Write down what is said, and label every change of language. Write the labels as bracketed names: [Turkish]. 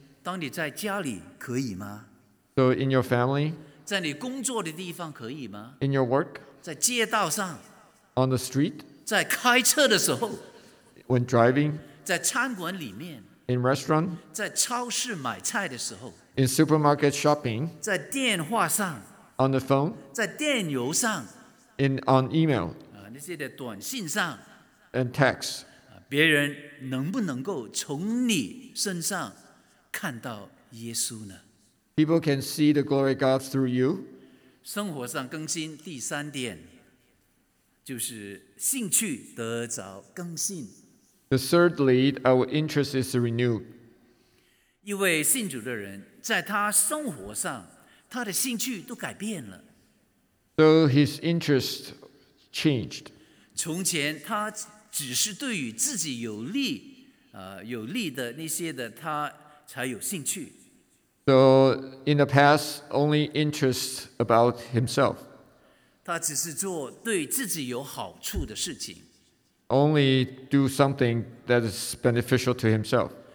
[Chinese] 当你在家里可以吗？ [English] So in your family, [Chinese] 在你工作的地方可以吗？ [English] In your work, [Chinese] 在街道上， [English] on the street, [Chinese] 在开车的时候， [English] when driving, [Chinese] 在餐馆里面， [English] in restaurant, [Chinese] 在超市买菜的时候， [English] in supermarket shopping, [Chinese] 在电话上， [English] on the phone, [Chinese] 在电邮上， [English] on email, [Chinese] 那些的短信上， [English] and text, [Chinese] 别人能不能够从你身上看到耶稣呢？ [English] People can see the glory of God through you. [Chinese] 生活上更新第三点，就是兴趣得着更新。 [English] The third lead, our interest is renewed. [Chinese] 一位信主的人，在他生活上，他的兴趣都改变了。 [English] So his interest changed. [Chinese] 从前他只是对于自己有利，有利的那些的他才有兴趣。 [English] So in the past, only interest about himself. [Chinese] 他只是做对自己有好处的事情。 [English] Only do something that is beneficial to himself.